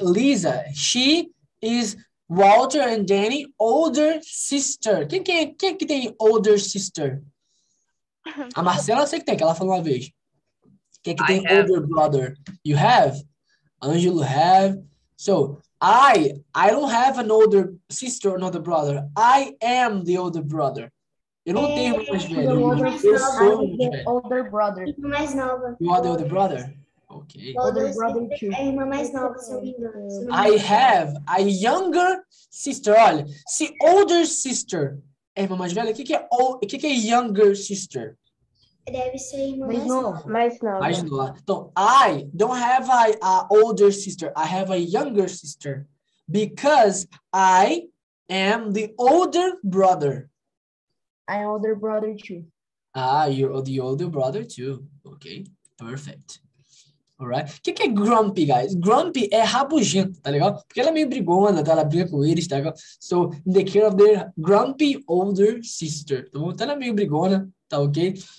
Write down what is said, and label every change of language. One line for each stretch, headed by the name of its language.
English: Lisa, she is Walter and Danny older sister.
Portuguese: Quem que tem older sister? A Marcela, sei que tem, que ela falou uma vez. Quem que tem older brother?
English: You have? Angelo have? So, I don't have an older sister or another brother. I am the older brother.
Portuguese: Eu não tenho irmão mais velho. Eu sou o
English: older brother.
Portuguese: Mais nova.
English: You are the older brother? Ok. Older brother too.
Portuguese: É irmã mais nova, se eu me engano.
English: I have a younger sister.
Portuguese: Olha, se older sister É irmã mais velha? O que é younger sister? Deve ser irmã mais nova. Então,
English: I don't have a older sister. I have a younger sister. Because I am the older brother. I am older brother too. Ah, you're the older brother too. Okay, perfect. Alright.
Portuguese: O que é grumpy, guys? Grumpy é rabugento, tá legal? Porque ela é meio brigona, tá? Ela briga com eles, tá legal?
English: So, in the care of their grumpy older sister.
Portuguese: Tá bom? Então, ela é meio brigona, tá ok?